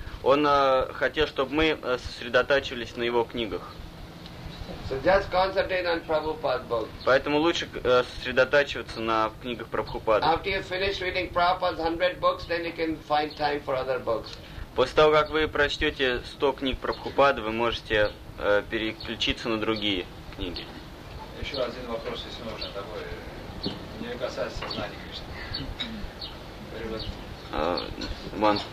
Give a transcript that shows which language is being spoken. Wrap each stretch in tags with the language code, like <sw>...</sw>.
<ru>Он хотел, чтобы мы сосредотачивались на его книгах.</ru> <en>So just concentrate on Prabhupada's books.</en> <ru>Поэтому лучше сосредотачиваться на книгах Прабхупады.</ru> <en>After you finish reading Prabhupada's 100 books, then you can find time for other books.</en> <ru>После того, как вы прочтете 100 книг Прабхупады, вы можете переключиться на другие книги. Еще один вопрос, если можно, такой, не касается знаний Кришны.</ru>